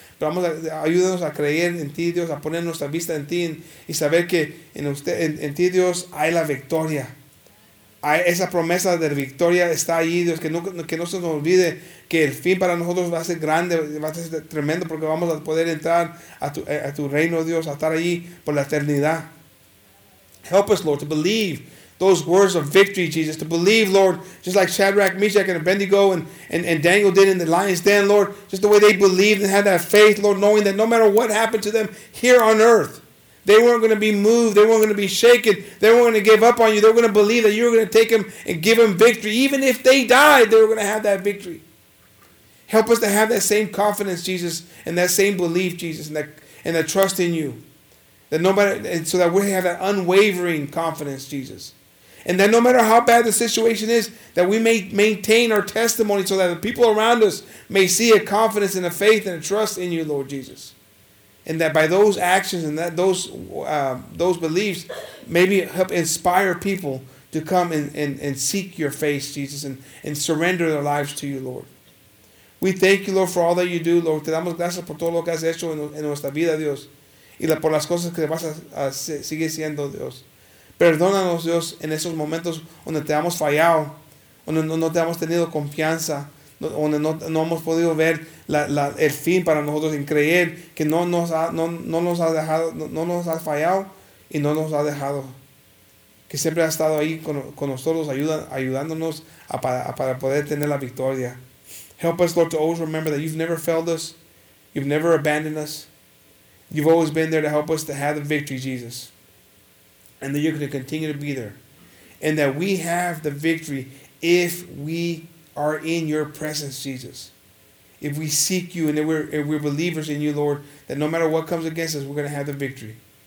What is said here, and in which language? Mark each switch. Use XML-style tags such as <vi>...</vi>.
<es>Pero vamos a ayúdanos a creer en ti, Dios, a poner nuestra vista en ti y saber que en usted, en ti, Dios, hay la victoria. Hay esa promesa de victoria está ahí, Dios, que no se nos olvide que el fin para nosotros va a ser grande, va a ser tremendo, porque vamos a poder entrar a tu reino, Dios, a estar ahí por la eternidad.</es> <en>Help us, Lord, to believe those words of victory, Jesus, to believe, Lord, just like Shadrach, Meshach, and Abednego, and Daniel did in the lion's den, Lord, just the way they believed and had that faith, Lord, knowing that no matter what happened to them here on earth, they weren't going to be moved, they weren't going to be shaken, they weren't going to give up on you, they were going to believe that you were going to take them and give them victory. Even if they died, they were going to have that victory. Help us to have that same confidence, Jesus, and that same belief, Jesus, and that trust in you. That no matter, so that we have that unwavering confidence, Jesus. And that no matter how bad the situation is, that we may maintain our testimony so that the people around us may see a confidence and a faith and a trust in you, Lord Jesus. And that by those actions and that those beliefs, maybe help inspire people to come and seek your face, Jesus, and surrender their lives to you, Lord. We thank you, Lord, for all that you do, Lord.</en> <es>Te damos gracias por todo lo que has hecho en nuestra vida, Dios. Y por las cosas que vas a seguir siendo, Dios. Perdónanos, Dios, en esos momentos donde te hemos fallado, donde no te hemos tenido confianza, donde no hemos podido ver el fin para nosotros en creer que no nos has fallado y no nos has dejado. Que siempre has estado ahí con nosotros, ayudándonos para poder tener la victoria.</es> <en>Help us, Lord, to always remember that you've never failed us, you've never abandoned us. You've always been there to help us to have the victory, Jesus. And that you're going to continue to be there. And that we have the victory if we are in your presence, Jesus. If we seek you and if we're believers in you, Lord, that no matter what comes against us, we're going to have the victory.</en>